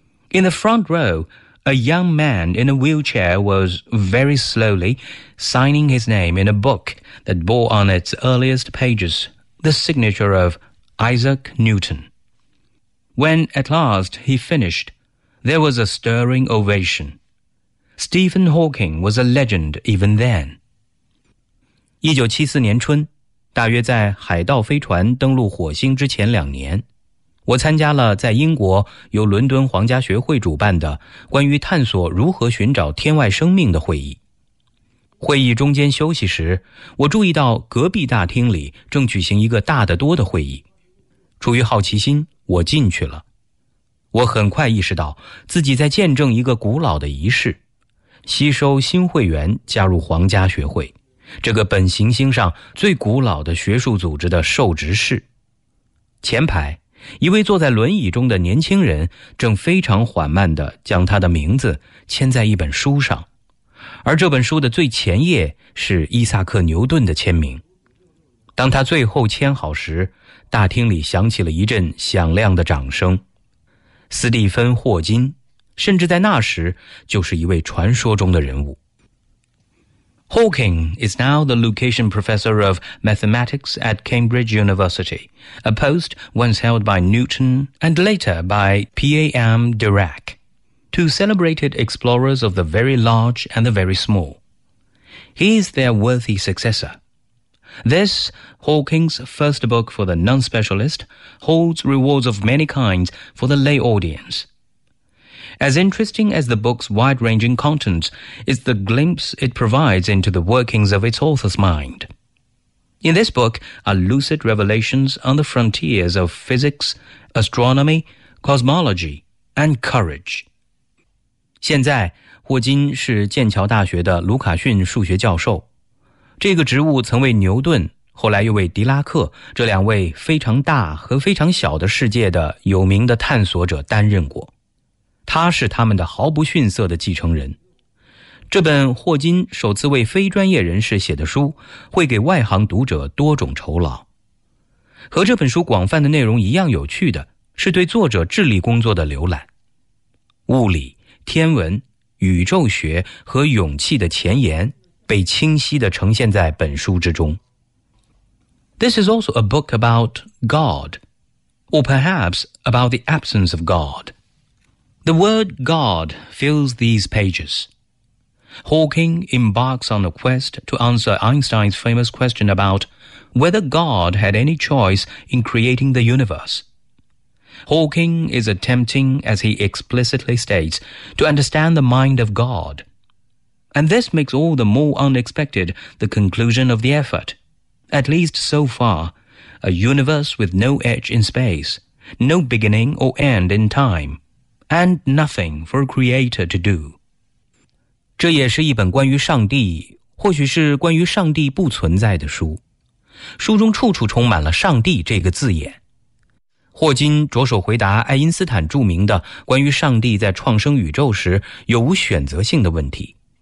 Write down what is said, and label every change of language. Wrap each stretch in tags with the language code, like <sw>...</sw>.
<en>In the front row, a young man in a wheelchair was very slowly signing his name in a book,that bore on its earliest pages the signature of Isaac Newton. When at last he finished, there was a stirring ovation. Stephen Hawking was a legend even then.</en> <zh>1974年春，大约在海盗飞船登陆火星之前两年，我参加了在英国由伦敦皇家学会主办的关于探索如何寻找天外生命的会议。会议中间休息时，我注意到隔壁大厅里正举行一个大得多的会议。出于好奇心，我进去了。我很快意识到自己在见证一个古老的仪式，吸收新会员加入皇家学会，这个本行星上最古老的学术组织的授职式。前排，一位坐在轮椅中的年轻人正非常缓慢地将他的名字签在一本书上，而这本书的最前页是伊萨克·牛顿的签名。当他最后签好时，大厅里响起了一阵响亮的掌声。斯蒂芬·霍金甚至在那时就是一位传说中的人物。</zh> <en>Hawking is now the location professor of mathematics at Cambridge University, a post once held by Newton and later by P.A.M. Dirac, two celebrated explorers of the very large and the very small. He is their worthy successor. This, Hawking's first book for the non-specialist, holds rewards of many kinds for the lay audience. As interesting as the book's wide-ranging contents is the glimpse it provides into the workings of its author's mind. In this book are lucid revelations on the frontiers of physics, astronomy, cosmology, and courage.</en> <zh>现在，霍金是剑桥大学的卢卡逊数学教授。这个职务曾为牛顿，后来又为狄拉克，这两位非常大和非常小的世界的有名的探索者担任过。他是他们的毫不逊色的继承人。这本霍金首次为非专业人士写的书会给外行读者多种酬劳。和这本书广泛的内容一样有趣的是对作者智力工作的浏览。物理、天文、宇宙学和勇气的前沿被清晰地呈现在本书之中。</zh> <en>This is also a book about God, or perhaps about the absence of God. The word God fills these pages. Hawking embarks on a quest to answer Einstein's famous question about whether God had any choice in creating the universe. Hawking is attempting, as he explicitly states, to understand the mind of God. And this makes all the more unexpected the conclusion of the effort. At least so far, a universe with no edge in space, no beginning or end in time. And nothing for a creator to do.</en> <zh>这也是一本关于上帝，或许是关于上帝不存在的书。书中处处充满了上帝这个字眼。霍金着手回答爱因斯坦著名的关于上帝在创生宇宙时有无选择性的问题。</zh>